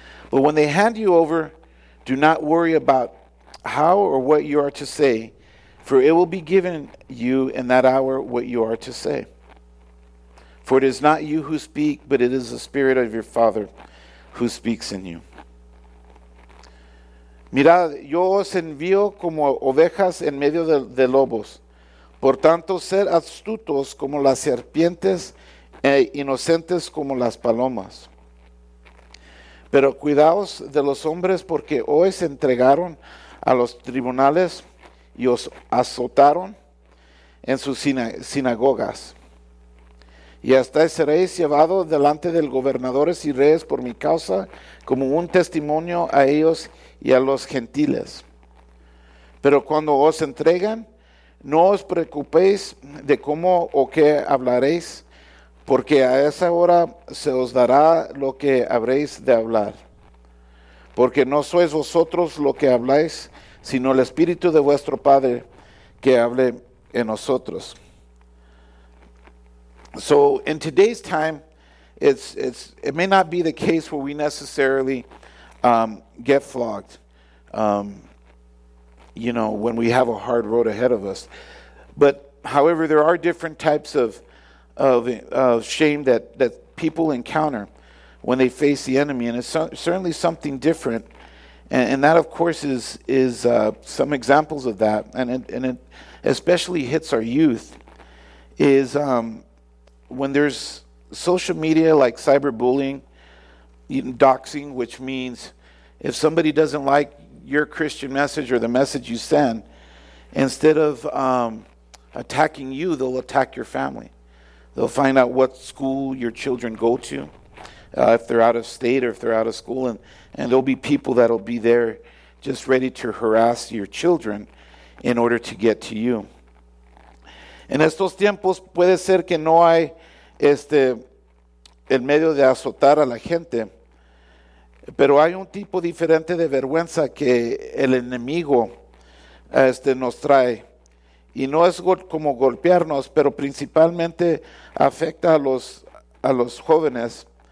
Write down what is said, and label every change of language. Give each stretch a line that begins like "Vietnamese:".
English: But when they hand you over, do not worry about how or what you are to say, for it will be given you in that hour what you are to say. For it is not you who speak, but it is the Spirit of your Father who speaks in you.
Spanish: Mirad, yo os envío como ovejas en medio de lobos. Por tanto, sed astutos como las serpientes e inocentes como las palomas. Pero cuidaos de los hombres, porque hoy se entregaron a los tribunales y os azotaron en sus sinagogas. Y hasta seréis llevados delante de gobernadores y reyes por mi causa, como un testimonio a ellos y a los gentiles. Pero cuando os entregan, no os preocupéis de cómo o qué hablaréis, porque a esa hora se os dará lo que habréis de hablar. Porque no sois vosotros lo que habláis, sino el Espíritu de vuestro Padre que hable en nosotros.
English: So in today's time, it may not be the case where we necessarily get flogged, you know, when we have a hard road ahead of us. But however, there are different types of shame that people encounter when they face the enemy, and it's certainly something different. And that, of course, is some examples of that, and it especially hits our youth. Is when there's social media like cyberbullying, doxing, which means if somebody doesn't like your Christian message or the message you send, instead of attacking you, they'll attack your family. They'll find out what school your children go to, if they're out of state or if they're out of school, and there'll be people that'll be there just ready to harass your children in order to get to you.
Spanish: En estos tiempos puede ser que no hay el medio de azotar a la gente, pero hay un tipo diferente de vergüenza que el enemigo nos trae. Y no es como golpearnos, pero principalmente afecta a los jóvenes.